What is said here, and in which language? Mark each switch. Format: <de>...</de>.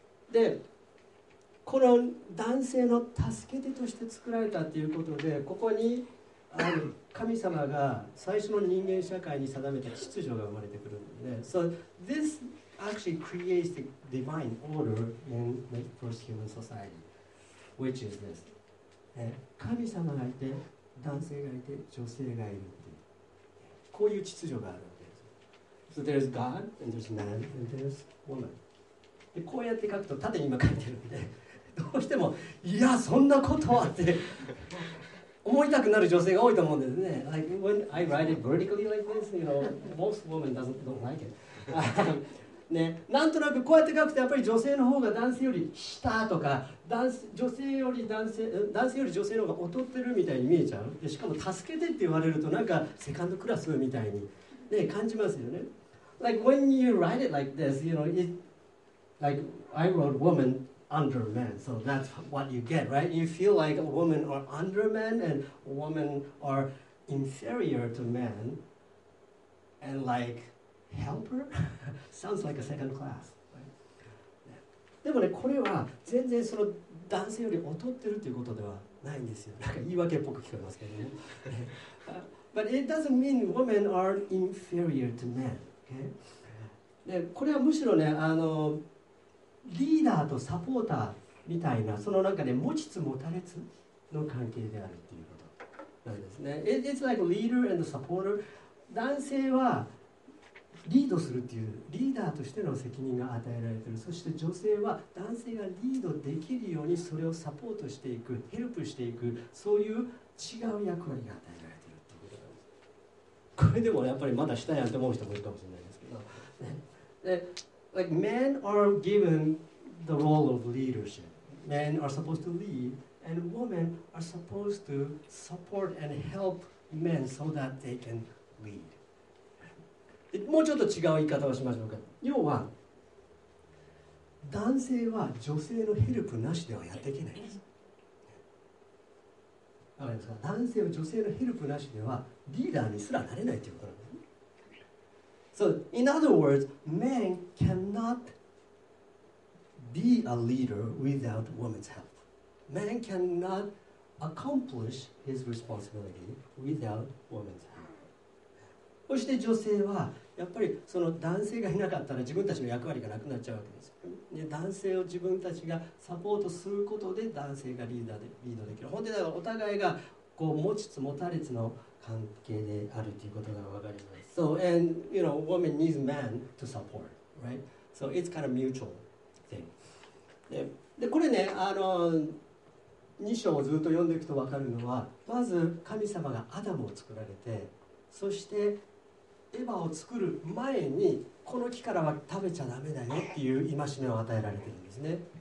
<ja>で、この男性の助け手として作られたということで、ここに神様が最初の人間社会に定めた秩序が生まれてくるので、</ja> <en>So this actually creates the divine order in the first human society, which is this.</en> <ja>神様がいて、男性がいて、女性がいるっていう、こういう秩序があるわけです。</ja> <en>So there's God, and there's man, and there's woman.</en> <ja>で、こうやって書くと縦に今書いてるんで、どうしても、いや、そんなことはって思いたくなる女性が多いと思うんですね。</ja> <en>Like, when I write it vertically like this, you know, most women don't like it.</en> <ja>ね、なんとなくこうやって書くと、やっぱり女性の方が男性より下とか、男性より女性の方が劣ってるみたいに見えちゃう。で、しかも助けてって言われると、なんかセカンドクラスみたいに、ね、感じますよね。</ja> <en>Like, when you write it like this, you know, it, like, I wrote woman under man, so that's what you get, right? You feel like a woman are under man, and a woman are inferior to man, and like... Helper? Sounds like a second class.、Right?</en> <ja>でもね、これは全然その男性より劣ってるということではないんですよ。なんか言い訳っぽく聞こえますけどね。</ja> <en>But it doesn't mean women are inferior to men.、Okay?</en> <ja>で、これはむしろね、リーダーとサポーターみたいな、そのなんかね、持ちつ持たれつの関係であるっていうことなんですね。</ja> <en>It's like leader and supporter.</en> <ja>男性はリードするっていう、リーダーとしての責任が与えられている。そして女性は男性がリードできるようにそれをサポートしていく、ヘルプしていく、そういう違う役割が与えられているっていうことなんです。これでもやっぱりまだ下やんって思う人もいるかもしれないですけど、ね、で、</ja> <en>like men are given the role of leadership. Men are supposed to lead, and women are supposed to support and help men so that they can lead.</en> <ja>もうちょっと違う言い方をしましょうか。要は男性は女性のヘルプなしではやっていけないです。わかりますか？男性は女性のヘルプなしではリーダーにすらなれないということなんです。</ja> <en>So in other words, men cannot be a leader without woman's help. Man cannot accomplish his responsibility without woman's help.</en> <ja>そして女性はやっぱりその男性がいなかったら自分たちの役割がなくなっちゃうわけですよ。で男性を自分たちがサポートすることで男性がリーダーでリードできる。本当にだからお互いがこう持ちつ持たれつの関係であるということがわかります。</ja> <en>So and you know woman needs man to support, right? So it's kind of mutual thing.</en> <ja>でこれね、あの2章をずっと読んでいくと分かるのは、まず神様がアダムを作られて、そしてエヴァを作る前にこの木からは食べちゃダメだよっていう戒めを与えられているんですね。</ja>